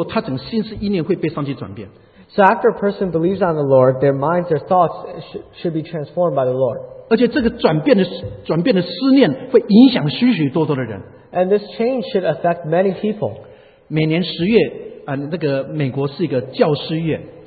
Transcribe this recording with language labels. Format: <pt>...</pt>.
<zh>所以一个人信耶稣以后，他整个心思意念会被上帝转变。</zh> <en>So after a person believes on the Lord, their minds, their thoughts should be transformed by the Lord.</en> <zh>而且这个转变的思念会影响许许多多的人。</zh> <en>And this change should affect many people.</en> <zh>每年十月，那个美国是一个教师月。</zh>